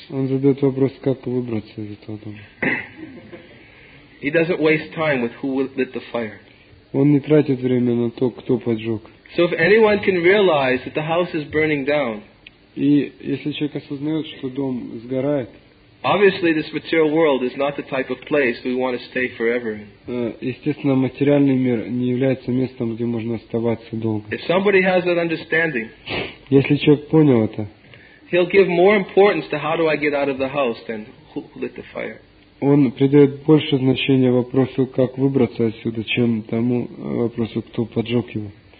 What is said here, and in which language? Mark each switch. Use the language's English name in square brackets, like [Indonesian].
[Russian] Он задает вопрос, как выбраться из этого дома. [English] He doesn't waste time with who lit the fire. [Russian] Он не тратит время на то, кто поджег. [English] So if anyone can realize that the house is burning down, [Russian] и если человек осознает, что дом сгорает, [English] obviously, this material world is not the type of place we want to stay forever in. [Russian] Естественно, материальный мир не является местом, где можно оставаться долго. [English] If somebody has that understanding, [Russian] если человек понял это, [English] he'll give more importance to how do I get out of the house than who lit the fire. [Russian] Он придает больше значения вопросу, как выбраться отсюда, чем тому вопросу, кто поджег его.